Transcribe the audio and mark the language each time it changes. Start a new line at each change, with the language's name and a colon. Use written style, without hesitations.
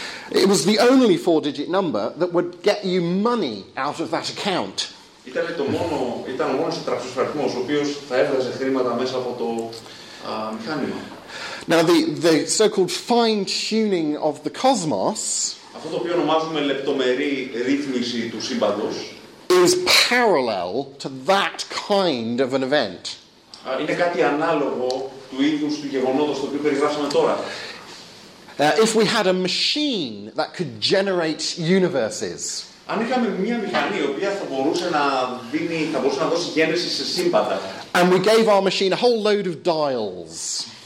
English: It was the only four-digit number that would get you money out of that account.
Greek: Ήταν ο μόνος τετραψήφιος αριθμός ο οποίος θα έβγαζε χρήματα μέσα από το μηχάνημα.
English: Now the so-called fine-tuning of the cosmos,
Greek: αυτό το οποίο ονομάζουμε λεπτομερή ρύθμιση του σύμπαντος,
English: is parallel to that kind of an event.
Greek: Είναι κάτι ανάλογο του ίδιου του γεγονότος το οποίο περιγράψαμε τώρα.
English: If we had a machine that could generate universes.
Greek: Αν είχαμε μια μηχανή η οποία θα μπορούσε να δώσει γέννηση σε σύμπαντα.
English: And we gave our machine a whole load of dials.